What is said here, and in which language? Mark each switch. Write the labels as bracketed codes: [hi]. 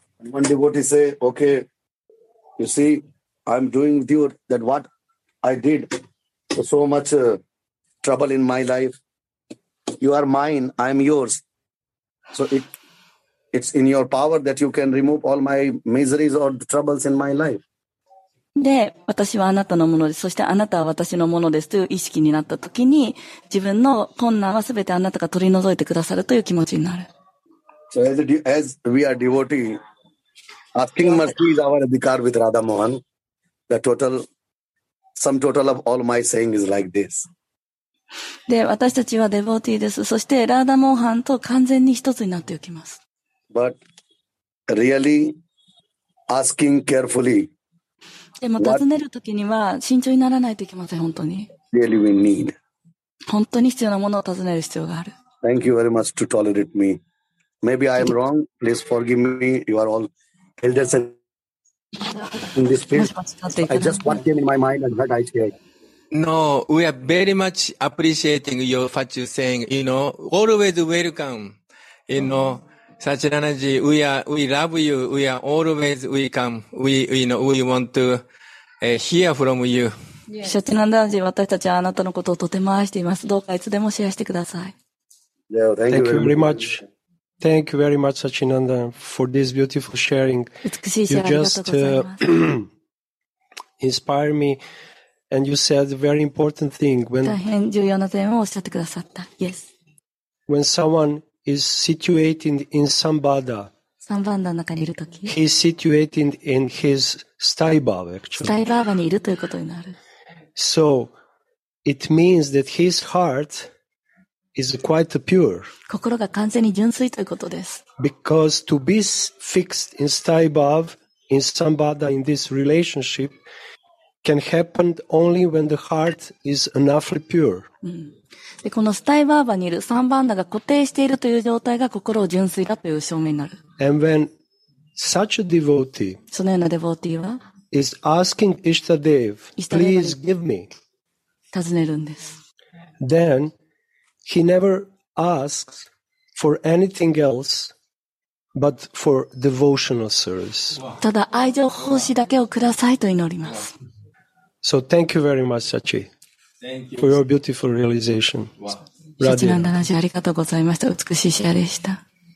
[en] One devotee said, okay, you see, I am doing with you that what I did so much. Trouble in my life. You are mine. I am yours. So it's in your power that you can remove all my miseries or troubles in my life. [ja] で、私はあなたのものです。そしてあなたは私のものですという意識になったときに、自分の困難はすべてあなたが取り除いてくださるという気持ちになる。 [en] So as we are devotee, asking mercy is our adhikar with Radha Mohan. The total, sum total of all my saying is like this. [ja] で、私たちはデボーティーです。そして、ラーダモーハンと完全に一つになっておきます。 [en] But really asking carefully. [ja] でも、尋ねるときには慎重にならないといけません、本当に。 [en] Really we need. [ja] 本当に必要なものを尋ねる必要がある。 [en] Thank you very much to tolerate me. Maybe I am wrong. Please forgive me. You are all elders in this field. I just what came in my mind and what I said. No, we are very much appreciating your what you're saying, you know, always welcome, you know, Sachinanaji, we love you, we are always welcome, we, you know, we want to, hear from you. [ja] Sachinanaji, 私たちはあなたのことをとても愛しています。どうかいつでもシェアしてください。 [en] Thank you very much. Thank you very much, Sachinanda, for this beautiful sharing. [ja] 美しいシェアありがとうございます。 [en] You just, inspire me. And you said a very important thing. When, [ja] 大変重要な点をおっしゃってくださった。 [en] Yes. When someone is situated in sambandha, [ja] サンバンダの中にいるとき、 [en] he is situated in his sthayibhava, actually. [ja] sthayibhava にいるということになる。 [en] So, it means that his heart is quite pure. [ja] 心が完全に純粋ということです。 [en] Because to be fixed in sthayibhava, in sambandha, in this relationship,can happen only when the heart is enoughly pure.、 [ja] うん、で、このスタイバーバにいるサンバンダが固定しているという状態が心を純粋だという証明になる。 [en] And when such a devotee, [ja] そのようなデボーティーは、 [en] is asking Ishtadev, please give me, [ja] 尋ねるんです。 [en] Then, he never asks for anything else,But for devotional service. [ja] ただ愛情奉仕だけをくださいと祈ります。 [en] So thank you very much, Sachi. Thank you. For your beautiful realization. [ja] Wow. Sachi Nandanaji, ありがとうございました。美しいシェアでした。